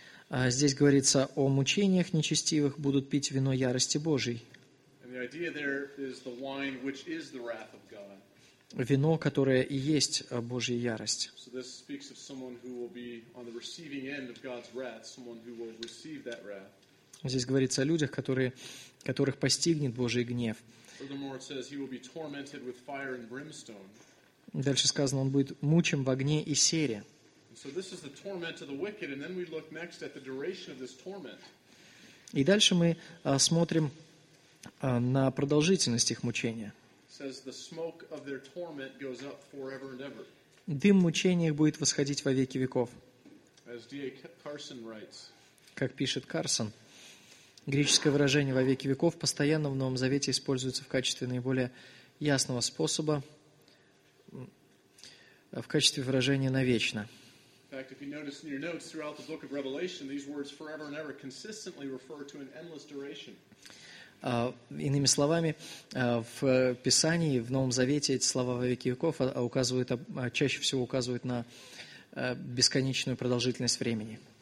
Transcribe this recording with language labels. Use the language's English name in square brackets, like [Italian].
[Russian] Здесь говорится о мучениях нечестивых, будут пить вино ярости Божией. Вино, которое и есть Божья ярость. [English] So this speaks of someone who will be on the receiving end of God's wrath, someone who will receive that wrath. [Russian] Здесь говорится о людях, которых постигнет Божий гнев. [English] Furthermore, it says he will be tormented with fire and brimstone. [Russian] Дальше сказано, он будет мучим в огне и сере. [English] So this is the torment of the wicked, and then we look next at the duration of this torment. [Russian] И дальше мы смотрим на продолжительность их мучения. [English] Says the smoke of their torment goes up forever and ever. [Russian] Дым мучения их будет восходить во веки веков. [English] As D.A. Carson writes. [Russian] Как пишет Карсон, греческое выражение «во веки веков» постоянно в Новом Завете используется в качестве наиболее ясного способа, в качестве выражения «навечно». [English] In fact, if you notice in your notes throughout the book of Revelation, these words «forever and ever» consistently refer to an endless duration. [Russian] Иными словами, в Писании, в Новом Завете эти слова «во веки веков» чаще всего указывают на бесконечную продолжительность времени.